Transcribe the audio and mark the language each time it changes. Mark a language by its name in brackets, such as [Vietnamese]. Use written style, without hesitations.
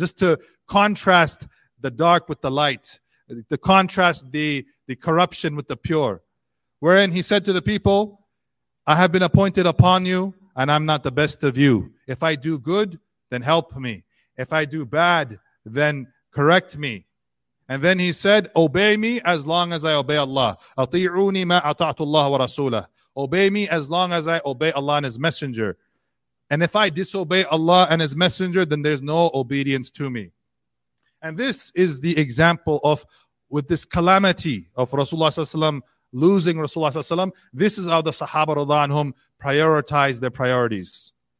[English] Just to contrast the dark with the light, to contrast the corruption with the pure. Wherein he said to the people, I have been appointed upon you and I'm not the best of you. If I do good, then help me. If I do bad, then correct me. And then he said, obey me as long as I obey Allah. [Arabic] أَطِيعُونِ مَا أَطَعْتُ اللَّهَ وَرَسُولَهُ. [English] Obey me as long as I obey Allah and His Messenger. And if I disobey Allah and His Messenger, then there's no obedience to me. And this is the example of, with this calamity of Rasulullah ﷺ, losing Rasulullah ﷺ, this is how the Sahaba radhiallahu anhum prioritized their priorities.